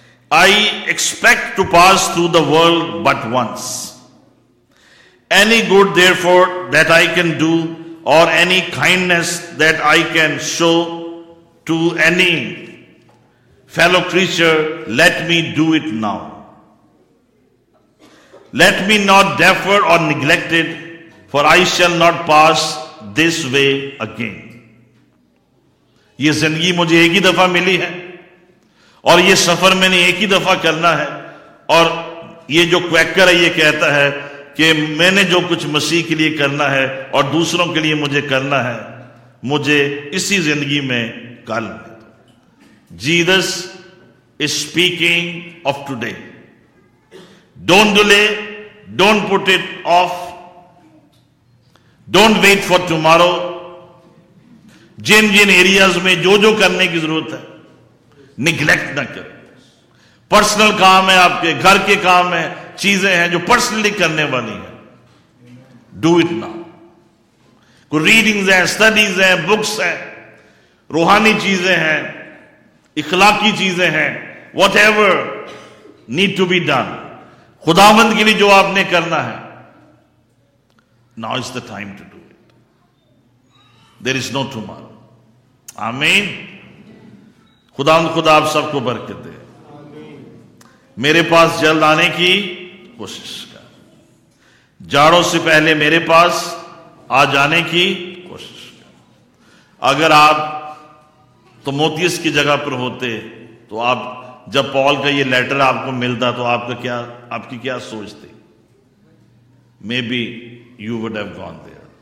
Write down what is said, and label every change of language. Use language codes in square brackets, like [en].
[en] I expect to pass through the world but once, any good therefore that I can do or any kindness that I can show to any fellow creature, let me do it now. Let me not defer or neglect it, for I shall not pass this way again. [ur] یہ زندگی مجھے ایک ہی دفعہ ملی ہے اور یہ سفر میں نے ایک ہی دفعہ کرنا ہے. اور یہ جو کویکر ہے یہ کہتا ہے کہ میں نے جو کچھ مسیح کے لیے کرنا ہے اور دوسروں کے لیے مجھے کرنا ہے, مجھے اسی زندگی میں کل. [en] Jesus is speaking of today. Don't delay, don't put it off, don't wait for tomorrow. [ur] جن جن ایریاز میں جو کرنے کی ضرورت ہے نگلیکٹ نہ کر. پرسنل کام ہے آپ کے, گھر کے کام ہیں, چیزیں ہیں جو پرسنلی کرنے والی ہیں, [en] Do it now. [ur] کوئی ریڈنگز ہیں, اسٹڈیز ہیں, بکس ہیں, روحانی چیزیں ہیں, اخلاقی چیزیں ہیں, [en] whatever need to be done [ur] خداوند کے لیے جو آپ نے کرنا ہے, [en] Now is the time to do it. There is no tomorrow. [ur] آمین. خداوند خدا آپ سب کو برکت دے. میرے پاس جلد آنے کی کوشش کر. جاڑوں سے پہلے میرے پاس آ جانے کی کوشش کر. اگر آپ تیموتھیوس کی جگہ پر ہوتے تو آپ, جب پال کا یہ لیٹر آپ کو ملتا تو آپ کا کیا, آپ کی کیا سوچ تھی؟ [en] Maybe you would have gone there.